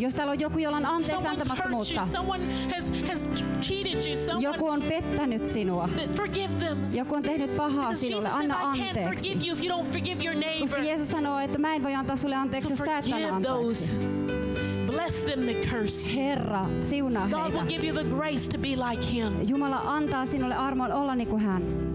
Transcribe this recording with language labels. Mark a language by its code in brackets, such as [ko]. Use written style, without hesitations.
[fi] Jos täällä on joku, jolla on anteeksiantamattomuutta. [en] Someone's hurt you. Someone has cheated you. [fi] Joku on pettänyt sinua. Joku on tehnyt pahaa sinulle. Anna anteeksi. Koska Jeesus sanoo, että mä en voi antaa sulle anteeksi, jos sä et anna anteeksi. [en] Bless them the curse. [fi] Herra, siunaa heitä. [en] God will give you the grace to be like him. [fi] Jumala antaa sinulle armon olla niin kuin hän.